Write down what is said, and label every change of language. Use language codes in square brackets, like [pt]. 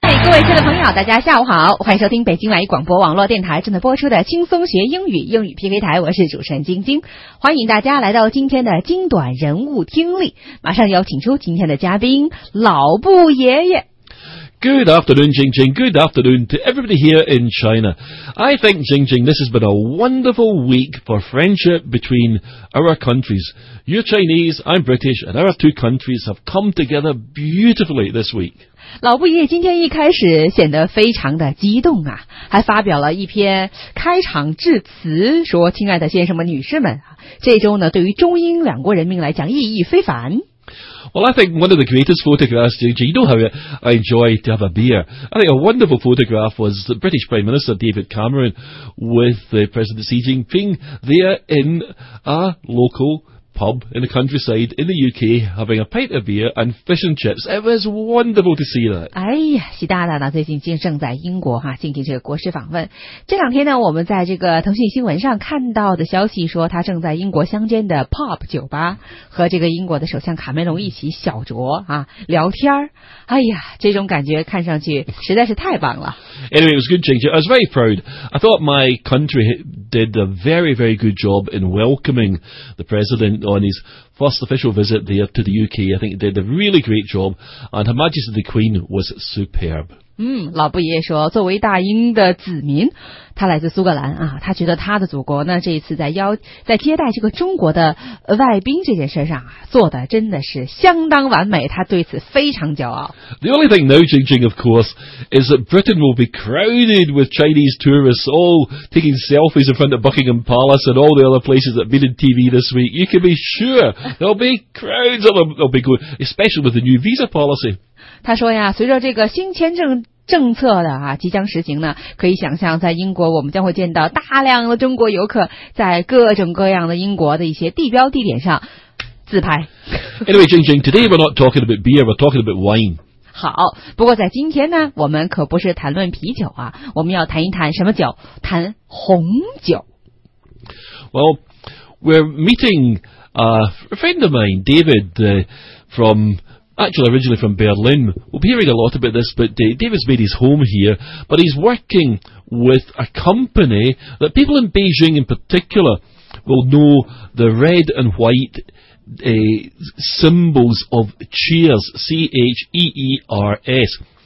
[zh] 亲爱的朋友，大家下午好，欢迎收听北京外语广播网络电台正在播出的轻松学英语英语 PK 台，我是主持人晶晶，欢迎大家来到今天的精短人物听力，马上要请出今天的嘉宾老布爷爷。 [en] Good afternoon, Jing Jing. Good afternoon to everybody here in China. I think, Jing Jing, this has been a wonderful week for friendship between our countries. You're Chinese, I'm British, and our two countries have come together beautifully this week. [zh] 老布爷今天一开始显得非常的激动啊，还发表了一篇开场致辞，说亲爱的先生们、女士们，这周呢，对于中英两国人民来讲意义非凡。 [en] Well, I think one of the greatest photographs, Jing Jing, you know how I enjoy to have a beer. I think a wonderful photograph was the British Prime Minister David Cameron with the President Xi Jinping there in a local pub in the countryside in the UK having a pint of beer and fish and chips. It was wonderful to see that. [zh] 哎呀，习大大呢最近竟正在英国哈进行这个国事访问。这两天呢，我们在这个腾讯新闻上看到的消息说，他正在英国乡间的 pub 酒吧和这个英国的首相卡梅隆一起小酌啊聊天。哎呀，这种感觉看上去实在是太棒了。 [en] Anyway, it was good, Jing Jing. I was very proud. I thought my country did a very, very good job in welcoming the president. On his first official visit there to the UK, I think he did a really great job, and Her Majesty the Queen was superb. [zh] 嗯，老布爷爷说，作为大英的子民，他来自苏格兰啊，他觉得他的祖国呢，这一次在接待这个中国的外宾这件事上啊，做的真的是相当完美，他对此非常骄傲。 [en] The only thing now, Jing Jing, of course, is that Britain will be crowded with Chinese tourists all taking selfies in front of Buckingham Palace and all the other places that have been in TV this week. You can be sure there'll be crowds of them. They'll be good, especially with the new visa policy. [zh] 他说呀，随着这个新签证政策的啊即将实行呢，可以想象在英国我们将会见到大量的中国游客在各种各样的英国的一些地标地点上自拍。 [en] Anyway, Jing Jing, today we're not talking about beer, we're talking about wine. [zh] 好，不过在今天呢，我们可不是谈论啤酒啊，我们要谈一谈什么酒？谈红酒。 [en] Well, we're meeting a friend of mine, David, from... Actually, originally from Berlin. We'll be hearing a lot about this, but David's made his home here. But he's working with a company that people in Beijing in particular will know the red and white symbols of Cheers, C-H-E-E-R-S.